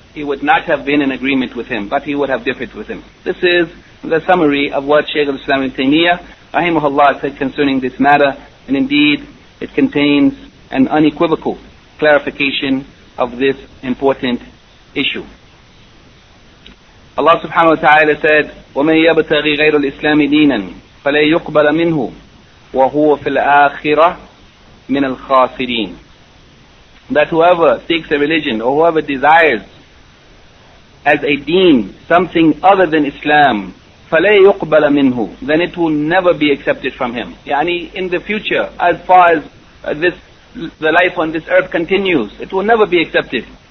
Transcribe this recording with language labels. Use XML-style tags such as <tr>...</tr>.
<en>He would not have been in agreement with him, but he would have differed with him. This is the summary of what Shaykh al-Islam ibn Taymiyyah, rahimahullah, said concerning this matter, and indeed it contains an unequivocal clarification of this important issue.</en> <ar>Allah subhanahu wa ta'ala said, وَمَنْ يَبْتَغِي غَيْرُ الْإِسْلَامِ دِينًا فَلَا يُقْبَلَ مِنْهُ وَهُوَ فِي الْآخِرَةِ مِنَ الْخَاسِرِينَ.</ar> <en>That whoever seeks a religion or whoever desires as a deen something other than Islam,</en> <ar>فَلَا يُقْبَلَ مِنْهُ,</ar> <en>then it will never be accepted from him. Yani in the future, as far as this the life on this earth continues, it will never be accepted.</en>